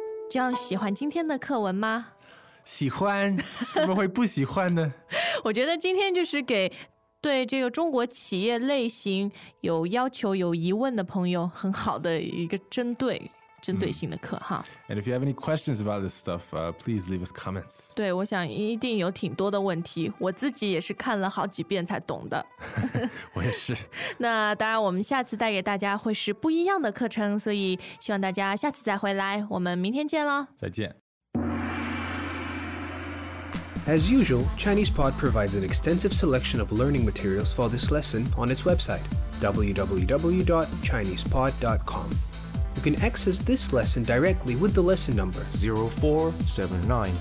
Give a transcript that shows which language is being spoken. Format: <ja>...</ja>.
<zh>这样喜欢今天的课文吗？喜欢，怎么会不喜欢呢？我觉得今天就是给对这个中国企业类型有要求有疑问的朋友很好的一个针对性的课哈。</zh> <en>And if you have any questions about this stuff, please leave us comments.</en> <zh>对，我想一定有挺多的问题，我自己也是看了好几遍才懂的。我也是。那当然我们下次带给大家会是不一样的课程，所以希望大家下次再回来，我们明天见咯。再见。</zh> <en>As usual, ChinesePod provides an extensive selection of learning materials for this lesson on its website, www.chinesepod.com. You can access this lesson directly with the lesson number 0479.</en>